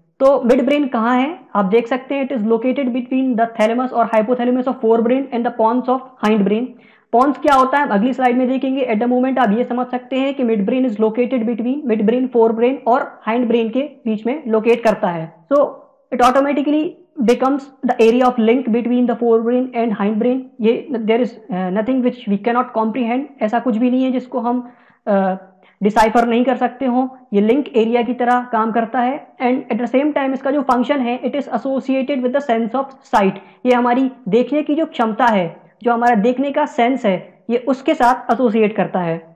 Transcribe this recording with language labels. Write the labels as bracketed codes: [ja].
[hi] तो मिडब्रेन कहाँ है? आप देख सकते हैं [en] It is located between the thalamus और hypothalamus of forebrain and the pons of hindbrain. [hi] Pond's क्या होता है अगली स्लाइड में देखेंगे. [en] at the moment [hi] आप ये समझ सकते हैं कि midbrain [en] is located between [hi] midbrain, forebrain और हाइंडब्रेन के बीच में लोकेट करता है. [en] So it automatically becomes the area of link between the forebrain and hindbrain. ये there is nothing which we cannot comprehend. [hi] ऐसा कुछ भी नहीं है जिसको हम decipher नहीं कर सकते हों. ये link area की तरह काम करता है [en] and at the same time [hi] इसका जो function है [en] it is associated with the sense of sight. [hi] ये हमारी देखने की जो क्षमता है, जो हमारा देखने का sense है, ये उसके साथ associate करता है.